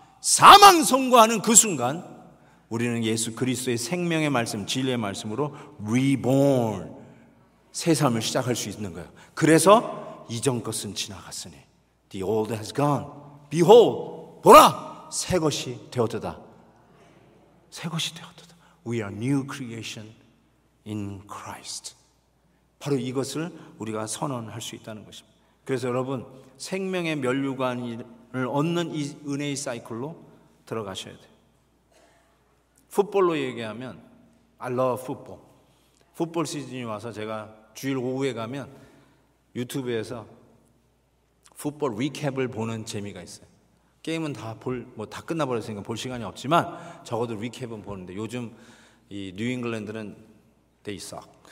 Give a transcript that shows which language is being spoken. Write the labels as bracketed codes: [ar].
[ko] 사망 선고하는 그 순간 우리는 예수 그리스도의 생명의 말씀, 진리의 말씀으로 reborn, 새 삶을 시작할 수 있는 거예요. 그래서 이전 것은 지나갔으니 [en] the old has gone, behold, [ko] 보라, 새 것이 되었도다. 새 것이 되었도다. [en] We are new creation in Christ. [ko] 바로 이것을 우리가 선언할 수 있다는 것입니다. 그래서 여러분, 생명의 면류관을 얻는 이 은혜의 사이클로 들어가셔야 돼요. 풋볼로 얘기하면 [en] I love football. [ko] 풋볼 시즌이 와서 제가 주일 오후에 가면 유튜브에서 풋볼 리캡을 보는 재미가 있어요. 게임은 다 볼, 뭐 다 끝나버렸으니까 볼 시간이 없지만 적어도 리캡은 보는데, 요즘 이 뉴잉글랜드는 [en] they suck.